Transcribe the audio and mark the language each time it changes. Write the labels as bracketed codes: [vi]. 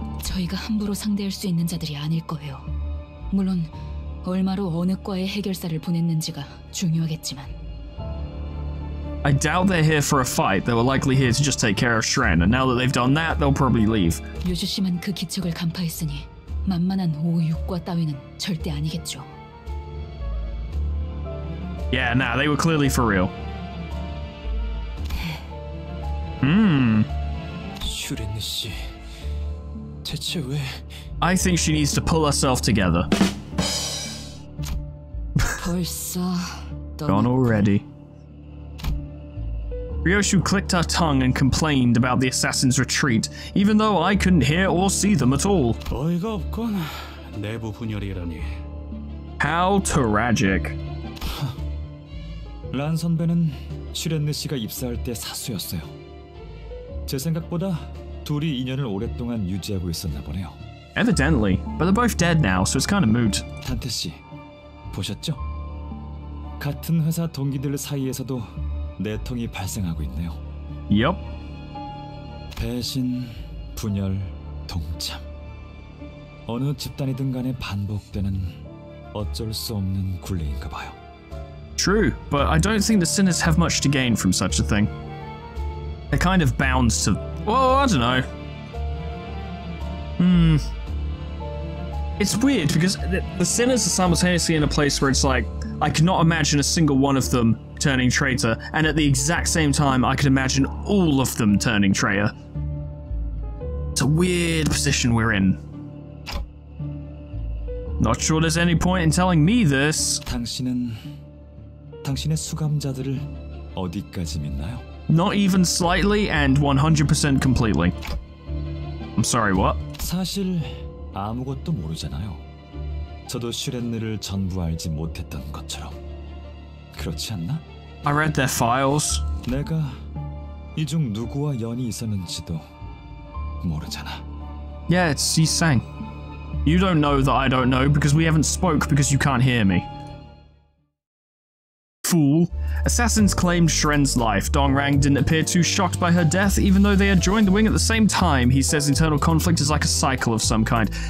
[ko] 저희가 함부로 상대할 수 있는 자들이 아닐 거예요. 물론 얼마로 어느 과에 해결사를 보냈는지가 중요하겠지만. [en] I doubt they're here for a fight. They were likely here to just take care of Shren, and now that they've done that, they'll probably leave. [ko] 유주 씨만 그 기척을 간파했으니 만만한 오육과 따위는 절대 아니겠죠. [en] Yeah, nah, they were clearly for real. Hmm. [ko] 슈렌느 씨. [en] I think she needs to pull herself together. Gone already. Ryoshu clicked her tongue and complained about the assassin's retreat, even though I couldn't hear or see them at all. How tragic. [ko] Lan-senbae는 슈렌느씨가 입사할 때 사수였어요. 제 생각보다 둘이 인연을 오랫동안 유지하고 있었나 보네요. [en] Evidently, but they're both dead now, so it's kind of moot. [ko] 단테 씨, 보셨죠? 같은 회사 동기들 사이에서도 내통이 발생하고 있네요. [en] Yep. [ko] 배신, 분열, 동참. 어느 집단이든 간에 반복되는 어쩔 수 없는 굴레인가 봐요. [en] True, but I don't think the sinners have much to gain from such a thing. They're kind of bound to... Well, I don't know. Hmm. It's weird, because the sinners are simultaneously in a place where it's like, I could not imagine a single one of them turning traitor, and at the exact same time, I could imagine all of them turning traitor. It's a weird position we're in. Not sure there's any point in telling me this. [ko] 당신은 당신의 수감자들을 어디까지 믿나요? [en] Not even slightly, and 100% completely. I'm sorry, what? [ko] 사실 아무것도 모르잖아요. 저도 슈렌느를 전부 알지 못했던 것처럼. 그렇지 않나? [en] I read their files. [ko] 내가 이 중 누구와 연이 있었는지도 모르잖아. [en] Yeah, it's Yisang. You don't know that I don't know because we haven't spoke because you can't hear me. Fool. Assassins claimed Shren's life. Dongrang didn't appear too shocked by her death, even though they had joined the wing at the same time. He says internal conflict is like a cycle of some kind.